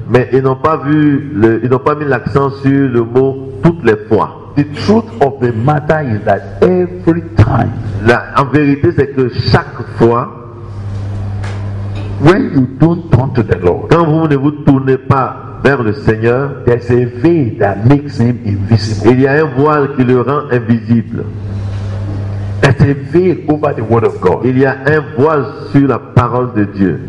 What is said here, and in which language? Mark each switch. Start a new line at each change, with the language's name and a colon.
French: Mais ils n'ont pas vu le, ils n'ont pas mis l'accent sur le mot toutes les fois.
English: The truth of the matter is that every time.
French: La, en vérité, c'est que chaque fois,
English: when you don't turn to the Lord,
French: quand vous ne vous tournez pas vers le Seigneur,
English: there's a veil that makes him invisible.
French: Il y a un voile qui le rend invisible.
English: There's a veil over the word of God.
French: Il y a un voile sur la parole de Dieu.